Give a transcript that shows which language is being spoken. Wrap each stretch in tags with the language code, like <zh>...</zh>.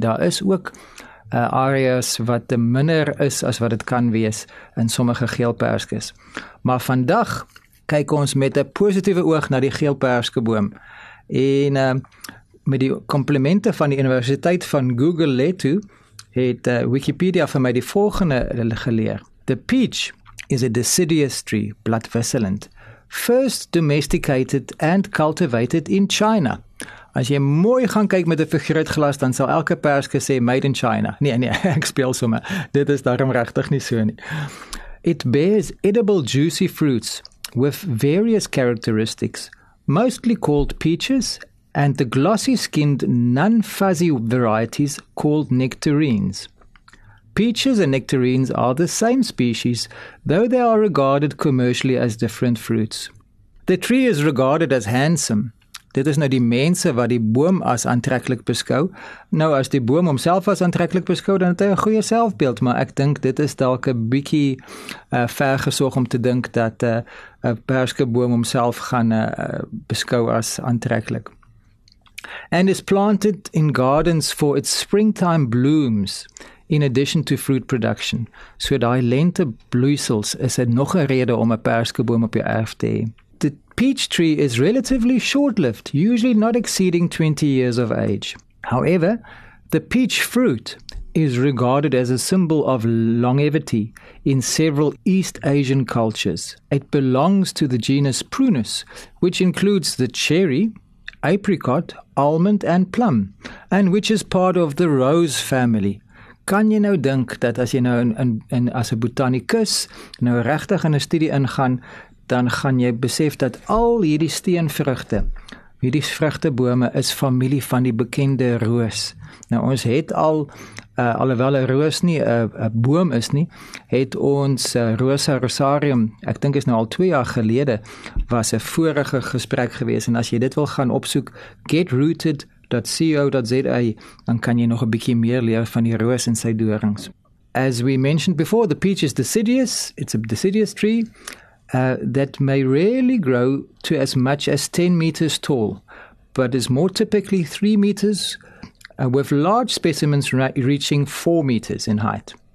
<af>Daar is ook areas wat minder is as wat dit kan wees in sommige geelperskes. Maar vandag kyk ons met 'n positiewe oog na die geelperskeboom en met die komplimente van die Universiteit van Guguletu het Wikipedia vir my die volgende geleer.</af> <en>The peach is a deciduous tree, blood vessellent, first domesticated and cultivated in China.</en> <af>As jy mooi gaan kyk met 'n vergrootglas, dan sal elke perske sê</af> <en>made in China.</en> <af>Nee, ek speel sommer. Dit is daarom regtig nie so nie.</af> <en>It bears edible juicy fruits with various characteristics, mostly called peaches, and the glossy-skinned non-fuzzy varieties called nectarines. Peaches and nectarines are the same species, though they are regarded commercially as different fruits. The tree is regarded as handsome.</en> <af>Dit is nou die mense wat die boom as aantreklik beskou. Nou, as die boom homself as aantreklik beskou, dan het hy 'n goeie selfbeeld, maar ek dink dit is dalk 'n bietjie vergesog om te dink dat 'n perskeboom homself gaan beskou as aantreklik.</af> <en>And is planted in gardens for its springtime blooms, in addition to fruit production.</en> <af>So daai lente bloeisels is dit nog 'n rede om 'n perskeboom op jou erf te hê.</af> <en>The peach tree is relatively short-lived, usually not exceeding 20 years of age. However, the peach fruit is regarded as a symbol of longevity in several East Asian cultures. It belongs to the genus Prunus, which includes the cherry, apricot, almond and plum, and which is part of the rose family.</en> <af>Kan jy nou dink dat as jy nou in as 'n botanikus nou regtig in 'n studie ingaan, dan gaan jy besef dat al hierdie steenvrugte, hierdie vrugtebome is familie van die bekende roos. Nou ons het al, alhoewel 'n roos nie 'n boom is nie, het ons Rosa Rosarium, ek dink is nou al 2 jaar gelede, was 'n vorige gesprek gewees, en as jy dit wil gaan opsoek, getrooted.co.za, dan kan jy nog 'n bietjie meer leer van die roos en sy dorings.</af> <en>As we mentioned before, the peach is deciduous, it's a deciduous tree, that may rarely grow to as much as 10 meters tall, but is more typically 3 meters, with large specimens reaching 4 meters in height.</en>